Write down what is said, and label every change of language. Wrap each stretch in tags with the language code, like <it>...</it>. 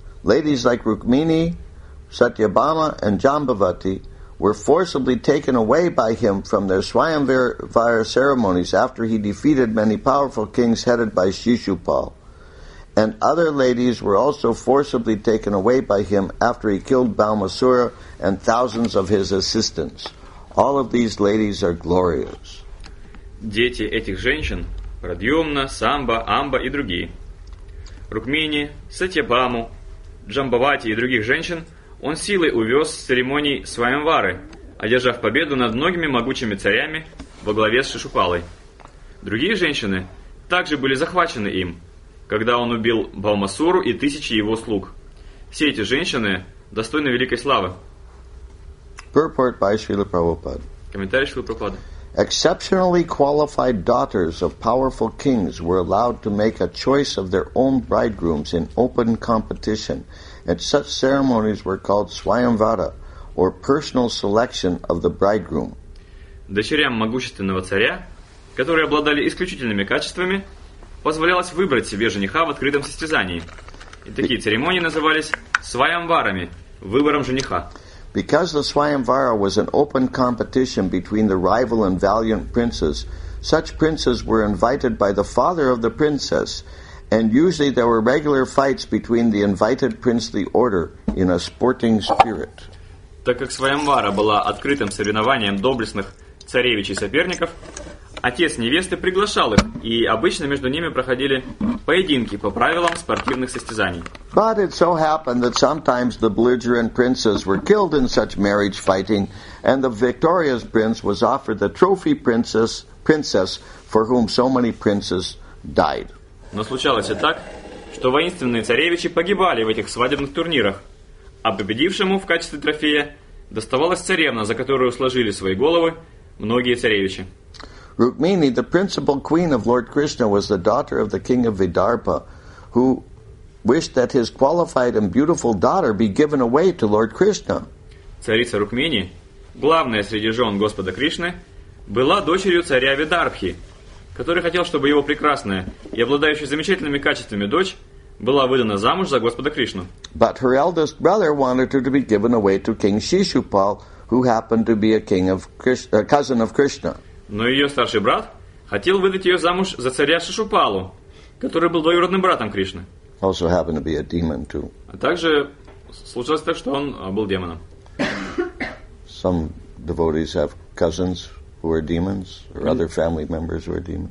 <en>Ladies like Rukmini, Satyabhama, and Jambavati were forcibly taken away by him from their Swayamvara ceremonies after he defeated many powerful kings headed by Shishupal. And other ladies were also forcibly taken away by him after he killed Balmasura and thousands of his assistants. All of these ladies are glorious.</en> <ru>Дети этих женщин, Прадьюмна, Самба, Амба и другие, Рукмини, Сатьябаму, Джамбавати и других женщин, он силой увез с церемоний Свайамвары, одержав победу над многими могучими царями во главе с Шишупалой. Другие женщины также были захвачены им, когда он убил Балмасуру и тысячи его слуг. Все эти женщины достойны великой славы.</ru> <en>Purport by Srila Prabhupada.</en> <ru>Комментарий Шрилы Прабхупады.</ru> <en>Exceptionally qualified daughters of powerful kings were allowed to make a choice of their own bridegrooms in open competition, and such ceremonies were called Swayamvara, or personal selection of the bridegroom.</en> <ru>Дочерям могущественного царя, которые обладали исключительными качествами, позволялось выбрать себе жениха в открытом состязании. И такие церемонии назывались свайамварами, выбором жениха.</ru> <en>Because the свайамвара was an open competition between the rival and valiant princes, such princes were invited by the father of the princess, and usually there were regular fights between the invited princely order in a sporting spirit.</en> <ru>Так как свайамвара была открытым соревнованием доблестных царевичей соперников, отец невесты приглашал их, и обычно между ними проходили поединки по правилам спортивных состязаний.</ru> <en>But it so happened that sometimes the belligerent princes were killed in such marriage fighting, and the victorious prince was offered the trophy princess for whom so many princes died.</en> <ru>Но случалось и так, что воинственные царевичи погибали в этих свадебных турнирах, а победившему в качестве трофея доставалась царевна, за которую сложили свои головы многие царевичи.</ru> <en>Rukmini, the principal queen of Lord Krishna, was the daughter of the king of Vidarbha, who wished that his qualified and beautiful daughter be given away to Lord Krishna.</en> <ru>Царица Рукмини, главная среди жен Господа Кришны, была дочерью царя Видарбхи, который хотел, чтобы его прекрасная и обладающая замечательными качествами дочь была выдана замуж за Господа Кришну.</ru> <en>But her eldest brother wanted her to be given away to King Shishupal, who happened to be a king of Krishna, a cousin of Krishna.</en> <ru>Но ее старший брат хотел выдать ее замуж за царя Шишупалу, который был двоюродным братом Кришны.</ru> <en>Also happened to be a demon too.</en> <ru>А также случилось так, что он был демоном.</ru> <en>Some devotees have cousins who are demons, or other family members who are demons.</en>